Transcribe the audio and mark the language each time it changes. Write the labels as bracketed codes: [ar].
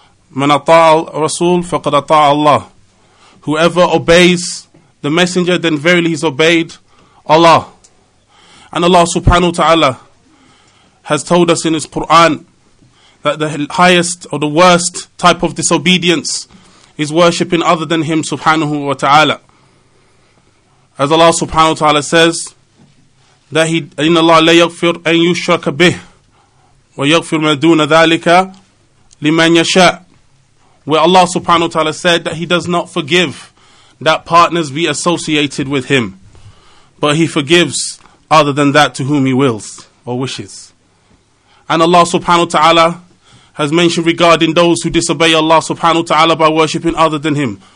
[ar] Man ata'a Rasul faqad ata'a Allah. [en] Whoever obeys the Messenger, then verily he's obeyed Allah. And Allah subhanahu wa ta'ala has told us in His Quran that the highest or the worst type of disobedience is worshipping other than Him subhanahu wa ta'ala. As Allah subhanahu wa ta'ala says, that He, in Allah, [ar] لا يغفر أن يشرك به ويغفر ما دون ذلك لمن يشاء. [en] Where Allah subhanahu wa ta'ala said that He does not forgive that partners be associated with Him, but He forgives other than that to whom He wills or wishes. And Allah subhanahu wa ta'ala has mentioned regarding those who disobey Allah subhanahu wa ta'ala by worshipping other than Him.